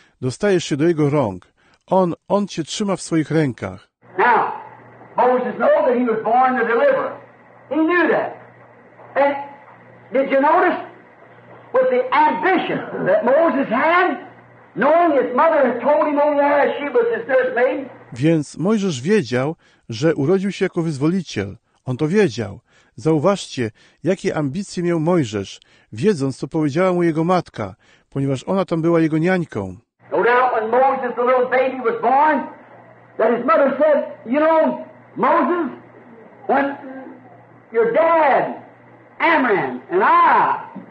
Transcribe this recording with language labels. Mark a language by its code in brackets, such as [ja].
[pl] Dostajesz się do Jego rąk. On cię trzyma w swoich rękach. [en] Now, Moses knew that he was born to deliver. He knew that. And did you notice? With the ambition that Moses had, knowing his mother had told him only that she was his nursemaid. [pl] Więc Mojżesz wiedział, że urodził się jako wyzwoliciel. On to wiedział. Zauważcie, jakie ambicje miał Mojżesz, wiedząc, co powiedziała mu jego matka, ponieważ ona tam była jego niańką. [en] No doubt when Moses, the little baby, was born, that his mother said, you know, Moses, when your dad, Amram, and I...